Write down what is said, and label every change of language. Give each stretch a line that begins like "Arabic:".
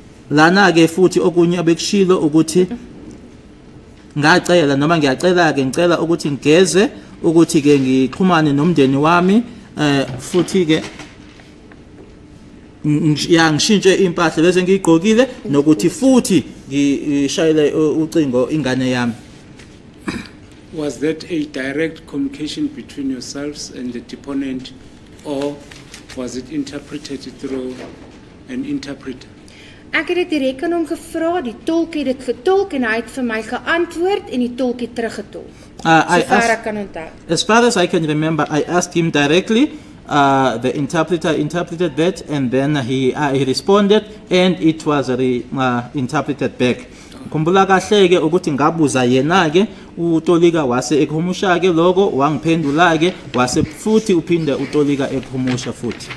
Zulu: Lana ke futhi okunye abekushilo ukuthi ngacela noma ngiyacela ke ngicela ukuthi ngeze ukuthi ke ngixhumane nomndeni wami futhi ke ngishintshe impahla bese ngiyigqokile nokuthi futhi ngishayele ucingo ingane yami.
English: Was that a direct communication between yourselves and the deponent or was it interpreted through an interpreter?
Afrikaans: Ek het dit direk aan hom gevra, die tolk het dit getolk en hy het vir my geantwoord en die tolk het teruggetolk.
English: As far as I can remember, I asked him directly. The interpreter interpreted that and then he responded and it was interpreted back.
Zulu: Ngikhumbula kahle ke ukuthi ngabuza yena ke utolika wase ekhumusha ke lokho wangiphendula ke wase futhi uphinde utolika ephumusha futhi.